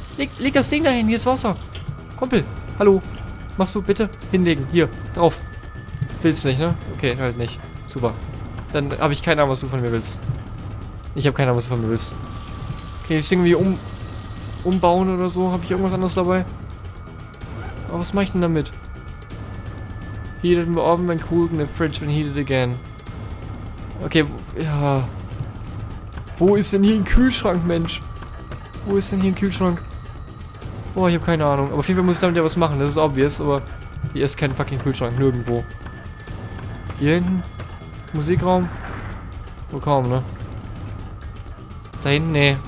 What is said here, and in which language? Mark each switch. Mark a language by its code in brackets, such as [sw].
[de] Leg das Ding da hin. Hier ist Wasser. Kumpel, hallo. Machst du bitte hinlegen. Hier, drauf. Willst du nicht, ne? Okay, halt nicht. Super. Dann habe ich keine Ahnung, was du von mir willst. Ich habe keine Ahnung, was du von mir willst. Okay, das Ding wie umbauen oder so. Habe ich irgendwas anderes dabei? Aber was mache ich denn damit? [en] Heated my oven and cooled in the fridge when heated again. [de] Okay, ja. Wo ist denn hier ein Kühlschrank, Mensch? Wo ist denn hier ein Kühlschrank? Boah, ich habe keine Ahnung. Aber auf jeden Fall muss ich damit ja was machen. Das ist obvious, aber hier ist kein fucking Kühlschrank. Nirgendwo. Hier hinten? Musikraum? Wo kaum, ne? Da hinten? Nee.